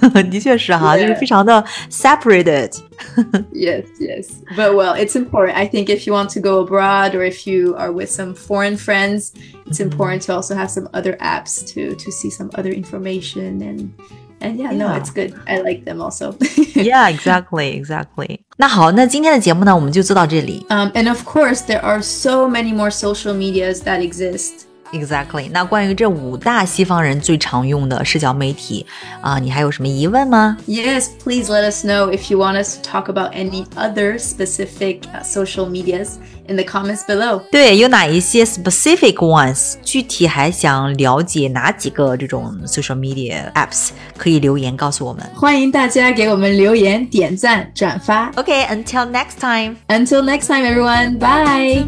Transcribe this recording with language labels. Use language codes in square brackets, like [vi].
[zh] 的确是哈，就是非常的 separated. [en] yes. But well, it's important. I think if you want to go abroad or if you are with some foreign friends, it's important to also have some other apps to see some other information. And yeah, no, it's good. I like them also. yeah, exactly. [zh] 那好，那今天的节目呢，我们就做到这里。 [en] And of course, there are so many more social medias that exist. Exactly. [zh] 那关于这五大西方人最常用的社交媒体、你还有什么疑问吗？ [en] Yes, please let us know if you want us to talk about any other specific social medias in the comments below. [zh] 对，有哪一些 [en] specific ones, [zh] 具体还想了解哪几个这种 social media apps, 可以留言告诉我们。欢迎大家给我们留言、点赞、转发。 [en] Okay, until next time. Until next time, everyone. Bye.